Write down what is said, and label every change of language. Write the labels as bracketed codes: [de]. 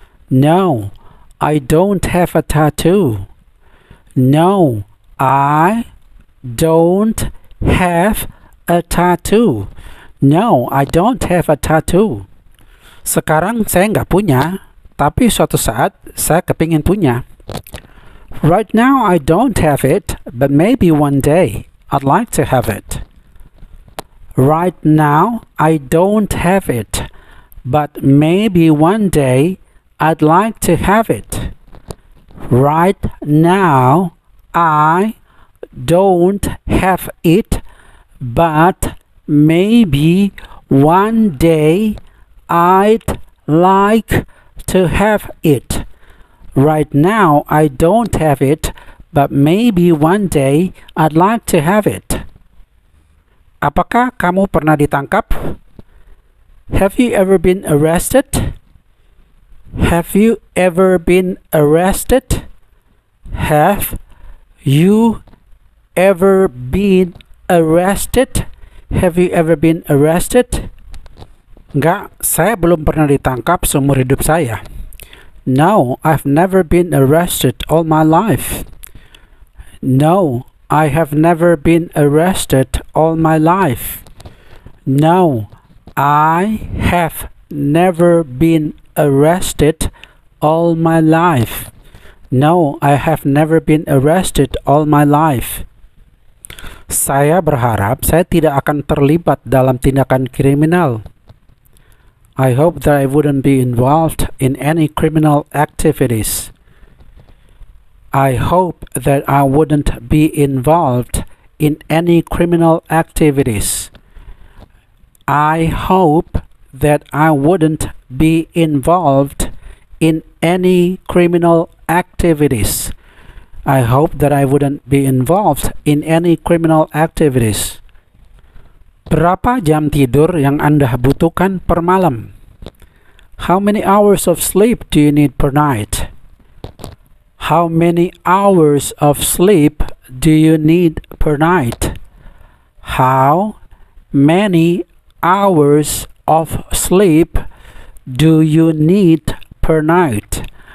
[en] No, I don't have a tattoo. No, I don't have a tattoo. No, I don't have a tattoo. [id] Sekarang saya enggak punya, tapi suatu saat saya kepingin punya. [en] Right now I don't have it, but maybe one day I'd like to have it. Right now I don't have it, but maybe one day I'd like to have it. Right now I don't have it, but maybe one day I'd like to have it. Right now I don't have it, but maybe one day I'd like to have it. [id] Apakah kamu pernah ditangkap? [en] Have you ever been arrested? Have you ever been arrested? Have you ever been arrested? Have you ever been arrested? [id] Enggak, saya belum pernah ditangkap seumur hidup saya. [en] No, I've never been arrested all my life. No, I have never been arrested all my life. No, I have never been arrested all my life. No, I have never been arrested all my life. [id] Saya berharap saya tidak akan terlibat dalam tindakan kriminal. [en] I hope that I wouldn't be involved in any criminal activities. I hope that I wouldn't be involved in any criminal activities. I hope that I wouldn't be involved in any criminal activities. I hope that I wouldn't be involved in any criminal activities. [id] Berapa jam tidur yang Anda butuhkan per malam? [en] How many hours of sleep do you need per night? How many hours of sleep do you need per night? How many hours of sleep do you need per night?